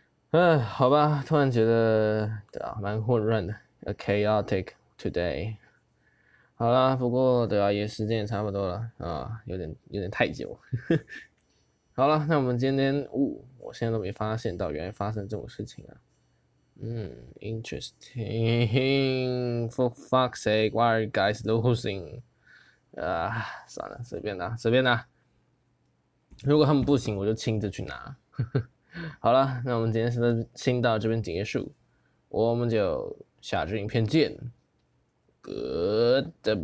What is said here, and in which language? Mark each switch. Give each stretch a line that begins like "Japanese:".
Chinese: 哎，好吧，突然觉得对啊，蛮混乱的，
English: a chaotic today。
Chinese: 好啦，不过对啊，也时间也差不多了啊，有点太久。好了，那我们今天，哦，我现在都没发现到原来发生这种事情啊。嗯，interesting。
English: For fuck's sake, why are you guys losing？
Chinese: 算了，随便啦，随便啦。如果他们不行，我就亲自去拿。好了，那我们今天先到这边结束，我们就下支影片见，Goodbye。